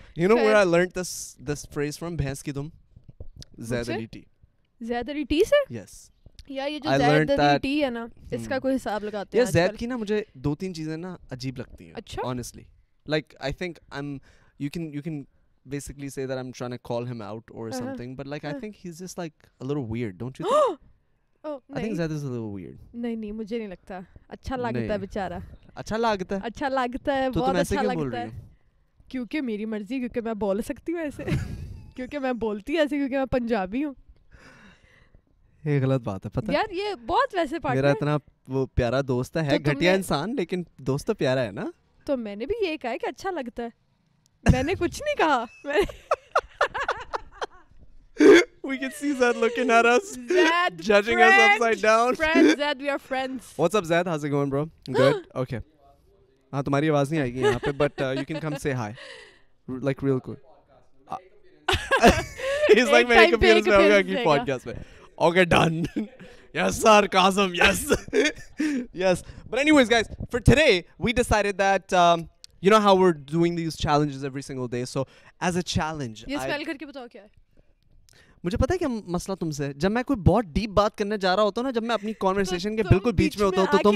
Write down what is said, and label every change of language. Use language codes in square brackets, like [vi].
[en] you know where I learned this phrase from? [hi] भैंस की दुम, ज़ैद अली टी। ज़ैद अली टी से? [en] Yes. [hi] या ये जो ज़ैद अली टी है ना, इसका कोई हिसाब लगाते हैं? ज़ैद की ना मुझे दो तीन चीजें ना अजीब लगती हैं। अच्छा? [en] Honestly, like I think I'm, you can basically say that I'm trying to call him out or something, but like I think he's just like a little weird, don't you think? Oh, I think Zed is a little weird. [hi] नहीं नहीं, मुझे नहीं लगता। अच्छा लगता है बेचारा। अच्छा लगता है। अच्छा लगता है, बहुत अच्छा लगता है। क्योंकि मेरी मर्जी, क्योंकि मैं बोल सकती हूँ ऐसे, क्योंकि मैं बोलती ऐसे, क्योंकि मैं पंजाबी हूँ। ये गलत बात है, पता यार ये बहुत वैसे पार्ट मेरा इतना वो प्यारा दोस्त है, घटिया इंसान लेकिन दोस्त तो प्यारा है ना। तो मैंने भी ये कहा कि अच्छा लगता है, मैंने कुछ नहीं कहा। [en] We can see Zed looking at us, Zed, judging friend, us upside down. Friend Zed, we are friends. What's up, Zed? How's it going, bro? Good. Okay. [hi] हाँ, तुम्हारी आवाज़ नहीं आएगी यहाँ पे, [en] but you can come say hi, like real cool. He's like making appearance on our podcast. Okay, done. Yes, sarcasm. Yes, yes. But anyways, guys, for today we decided that you know how we're doing these challenges every single day. So as a challenge, [hi] ये spell करके बताओ क्या है? मुझे पता है क्या मसला तुमसे, जब मैं कोई बहुत डीप बात करने जा रहा होता हूँ ना, जब मैं अपनी कॉन्वर्सेशन के बिल्कुल बीच में होता हूँ, तो तुम